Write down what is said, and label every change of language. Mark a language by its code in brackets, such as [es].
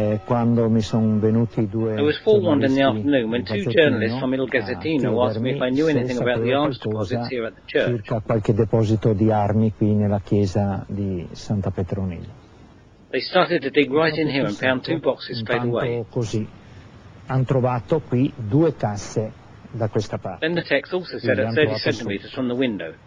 [en] I was forewarned in the afternoon when two journalists from Il Gazzettino asked me if I knew anything about the arms deposits here at the church. [it] Circa qualche deposito di armi qui nella chiesa di Santa Petronilla. [en] They started to dig right in here and found two boxes straight away. [it] Così, han trovato qui due casse da questa parte. [en] Then the text also said at 30 centimeters from the window.